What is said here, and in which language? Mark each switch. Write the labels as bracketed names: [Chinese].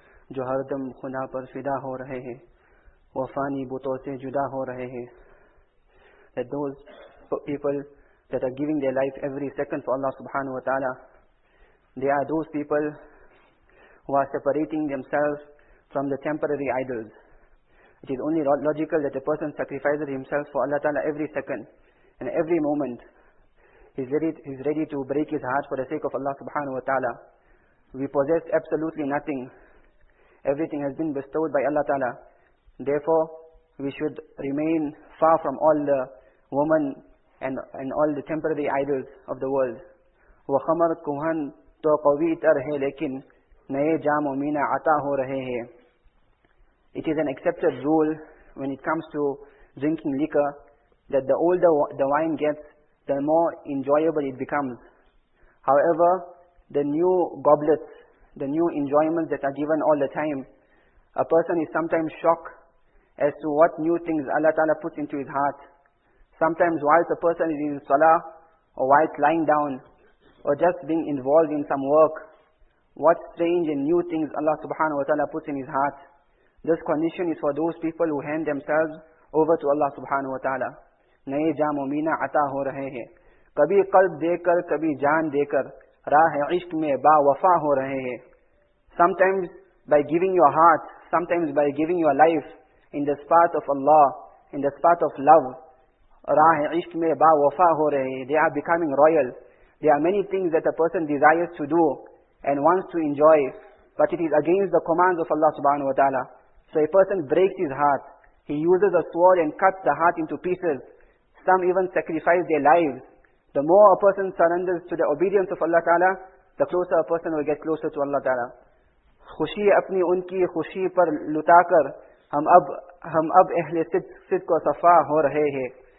[Urdu] جو ہر دم خدا پر فدا ہو رہے ہیں وہ فانی بتوں سے جدا ہو رہے ہیں. [English] That those people that are giving their life every second for Allah subhanahu wa ta'ala, they are those people who are separating themselves from the temporary idols. It is only logical that a person sacrifices himself for Allah ta'ala every second and every moment. He is ready to break his heart for the sake of Allah subhanahu wa ta'ala. We possess absolutely nothing. Everything has been bestowed by Allah ta'ala. Therefore, we should remain far from all the women and all the temporary idols of the world. [Urdu] وہ خمر کوہن تو قوی تر ہے لیکن نئے جام و مینا عطا ہو رہے ہیں. [English] It is an accepted rule when it comes to drinking liquor that the older the wine gets, the more enjoyable it becomes. However, the new goblets, the new enjoyments that are given all the time, a person is sometimes shocked as to what new things Allah Ta'ala puts into his heart. Sometimes whilst a person is in salah, or whilst lying down, or just being involved in some work, what strange and new things Allah Subhanahu Wa Ta'ala puts in his heart. This condition is for those people who hand themselves over to Allah subhanahu wa ta'ala. [Urdu] نئے جام و مینا عطا ہو رہے ہیں. کبھی قلب دے کر کبھی جان دے کر راہ عشق میں با وفا ہو رہے ہیں. [English] Sometimes by giving your heart, sometimes by giving your life in the path of Allah, in the path of love, [Urdu] راہ عشق میں با وفا ہو رہے ہیں. [English] They are becoming royal. There are many things that a person desires to do and wants to enjoy, but it is against the commands of Allah subhanahu wa ta'ala. So a person breaks his heart. He uses a sword and cuts the heart into pieces. Some even sacrifice their lives. The more a person surrenders to the obedience of Allah Ta'ala, the closer a person will get closer to Allah Ta'ala. [Urdu] خوشی اپنی ان کی خوشی پر لٹا کر ہم اب اہل صدق و صفا ہو رہے ہیں.